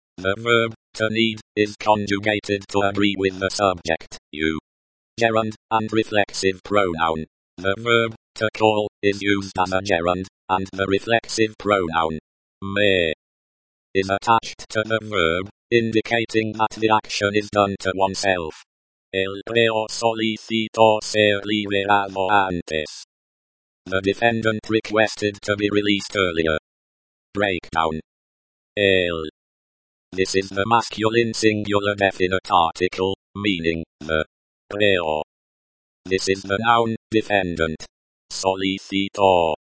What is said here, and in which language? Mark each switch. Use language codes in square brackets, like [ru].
[en] The verb, to need, is conjugated to agree with the subject, you. Gerund, and reflexive pronoun. The verb, to call, is used as a gerund, and the reflexive pronoun, me, is attached to the verb, indicating that the action is done to oneself. [es] El reo solicitó ser liberado antes. [en] The defendant requested to be released earlier. Breakdown. El. This is the masculine singular definite article, meaning the. Reo. This is the noun, defendant. Solicitó.